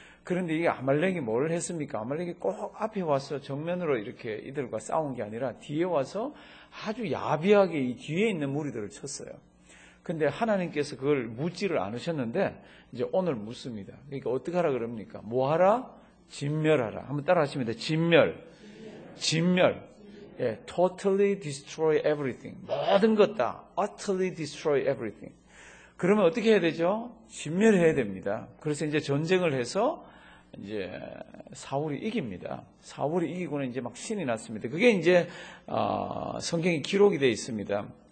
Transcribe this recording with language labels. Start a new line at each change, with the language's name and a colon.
Korean: 그런데 이게 아말렉이 뭘 했습니까? 아말렉이 꼭 앞에 와서 정면으로 이렇게 이들과 싸운 게 아니라 뒤에 와서 아주 야비하게 이 뒤에 있는 무리들을 쳤어요. 근데 하나님께서 그걸 묻지를 않으셨는데 이제 오늘 묻습니다. 그러니까 어떻게 하라 그럽니까? 뭐하라? 진멸하라. 한번 따라 하시면 돼. 진멸. 진멸.
English: 예, totally destroy everything.
Korean: 모든 것 다
English: utterly destroy everything.
Korean: 그러면 어떻게 해야 되죠? 진멸해야 됩니다. 그래서 이제 전쟁을 해서 이제 사울이 이깁니다. 사울이 이기고는 이제 막 신이 났습니다. 그게 이제 성경에 기록이 되어 있습니다.